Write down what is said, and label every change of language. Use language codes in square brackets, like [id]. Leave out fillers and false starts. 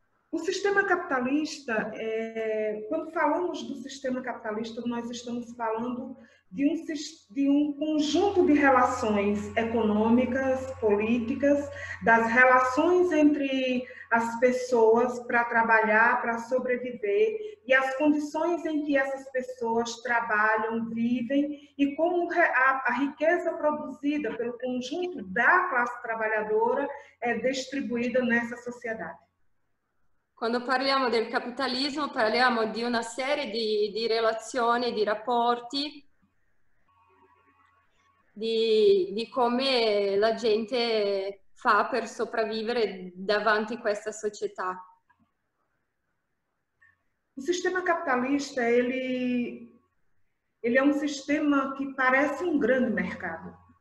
[pt] O sistema capitalista, quando falamos do sistema capitalista, nós estamos falando de um conjunto de relações econômicas, políticas, das relações entre as pessoas para trabalhar, para sobreviver e as condições em que essas pessoas trabalham, vivem e como a riqueza produzida pelo conjunto da classe trabalhadora é distribuída nessa sociedade. [it] Quando parliamo del capitalismo, parliamo di una serie di relazioni, di rapporti, di come la gente fa per sopravvivere davanti a questa società. [pt] O sistema capitalista, ele é um sistema que parece um grande mercado.